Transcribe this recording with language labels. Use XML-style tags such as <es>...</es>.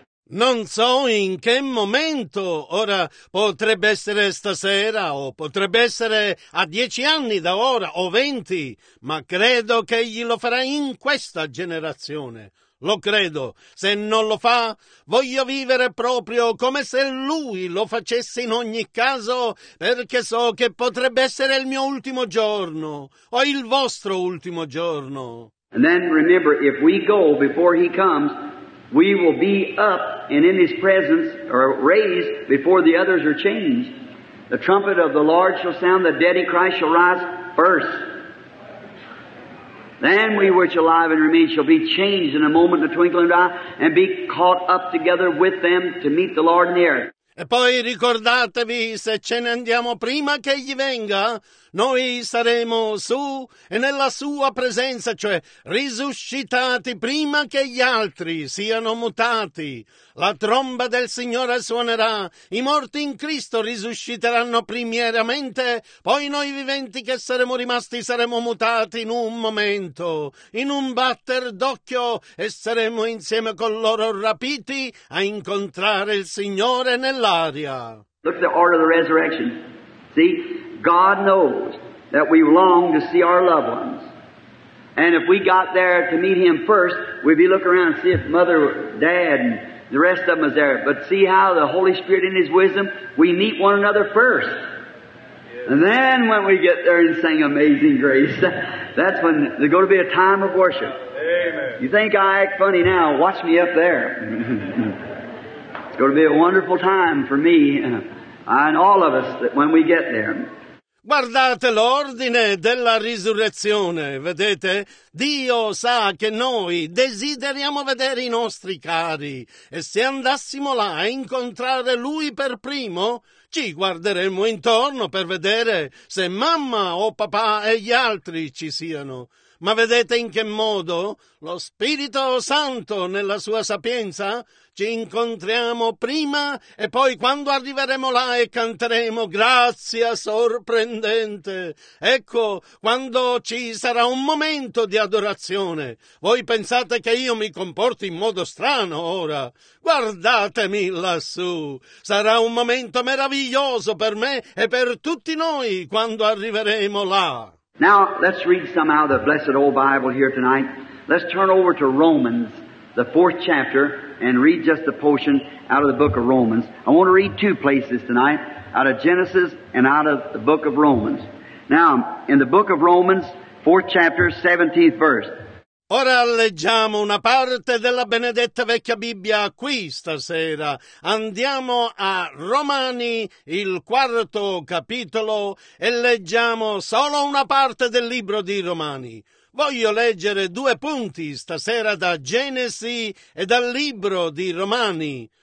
<it>Non so in che momento, ora potrebbe essere stasera o potrebbe essere a 10 anni da ora o 20, ma credo che egli lo farà in questa generazione. Lo credo. Se non lo fa, voglio vivere proprio come se lui lo facesse in ogni caso, perché so che potrebbe essere il mio ultimo giorno o il vostro ultimo giorno.</it> <en>And then remember, if we go before he comes, we will be up and in his presence, or raised, before the others are changed. The trumpet of the Lord shall sound, the dead in Christ shall rise first. Then we which are alive and remain shall be changed in a moment, in a twinkling of an eye, and be caught up together with them to meet the Lord in the air.</en> <it>E poi ricordatevi, se ce ne andiamo prima che egli venga, noi saremo su e nella sua presenza, cioè risuscitati prima che gli altri siano mutati. La tromba del Signore suonerà, i morti in Cristo risusciteranno primieramente, poi noi viventi che saremo rimasti saremo mutati in un momento, in un batter d'occhio, e saremo insieme con loro rapiti a incontrare il Signore nell'aria.</it> <en>Look at the order of the resurrection. See, God knows that we long to see our loved ones. And if we got there to meet him first, we'd be looking around and see if mother, dad, and the rest of them is there. But see how the Holy Spirit in his wisdom, we meet one another first. And then when we get there and sing Amazing Grace, that's when there's going to be a time of worship. Amen. You think I act funny now, watch me up there. It'll be a wonderful time for me and all of us that when we get there.</en> <it>Guardate l'ordine della risurrezione, vedete? Dio sa che noi desideriamo vedere i nostri cari e se andassimo là a incontrare Lui per primo, ci guarderemmo intorno per vedere se mamma o papà e gli altri ci siano. Ma vedete in che modo? Lo Spirito Santo, nella sua sapienza, ci incontriamo prima e poi quando arriveremo là e canteremo «Grazia sorprendente!». Ecco, quando ci sarà un momento di adorazione. Voi pensate che io mi comporti in modo strano ora? Guardatemi lassù! Sarà un momento meraviglioso per me e per tutti noi quando arriveremo là.</it> <en>Now, let's read some out of the blessed old Bible here tonight. Let's turn over to Romans, the 4th chapter, and read just a portion out of the book of Romans. I want to read 2 places tonight, out of Genesis and out of the book of Romans. Now, in the book of Romans, 4th chapter, 17th verse.</en> <it>Ora leggiamo una parte della benedetta vecchia Bibbia qui stasera. Andiamo a Romani, il 4° capitolo, e leggiamo solo una parte del libro di Romani. Voglio leggere 2 punti stasera da Genesi e dal libro di Romani.</it>